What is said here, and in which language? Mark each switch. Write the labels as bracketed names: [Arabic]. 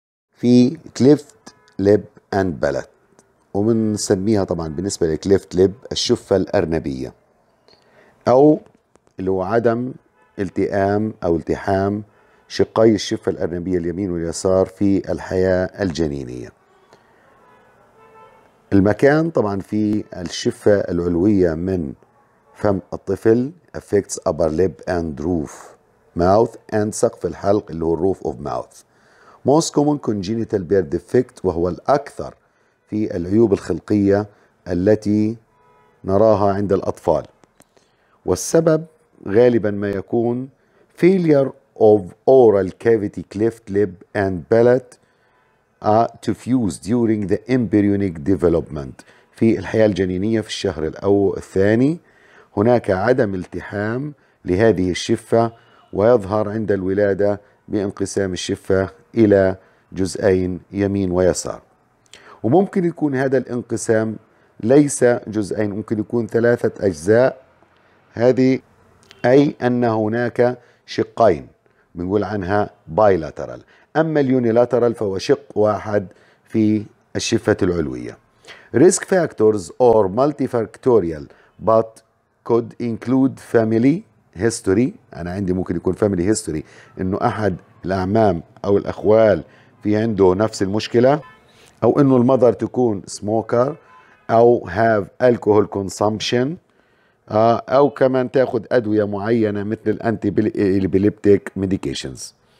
[Arabic] في كليفت ليب and بالت، ومنسميها طبعا بالنسبة لكليفت ليب الشفة الأرنبية، أو اللي هو عدم التئام أو التحام شقي الشفة الأرنبية اليمين واليسار في الحياة الجنينية. المكان طبعا في الشفة العلوية من فم الطفل [English] affects upper lip and roof mouth [Arabic] and سقف الحلق اللي هو [English] roof of mouth. most common congenital bear defect، [Arabic] وهو الأكثر في العيوب الخلقية التي نراها عند الأطفال، والسبب غالبا ما يكون [English] failure of oral cavity cleft lip and palate to fuse during the embryonic development. [Arabic] في الحياة الجنينية في الشهر الأول الثاني هناك عدم التحام لهذه الشفة، ويظهر عند الولادة بانقسام الشفة إلى جزئين يمين ويسار، وممكن يكون هذا الانقسام ليس جزئين، ممكن يكون ثلاثة أجزاء، هذه أي أن هناك شقين بنقول عنها bilateral. أما unilateral فهو شق واحد في الشفة العلوية. [English] risk factors or multifactorial but could include family history. [Arabic] أنا عندي ممكن يكون family history، إنه أحد الأعمام أو الأخوال في عنده نفس المشكلة، أو إنه المذر تكون smoker أو [English] have alcohol consumption، [Arabic] أو كمان تأخذ أدوية معينة مثل الأنتيبيليبتيك ميديكيشنز.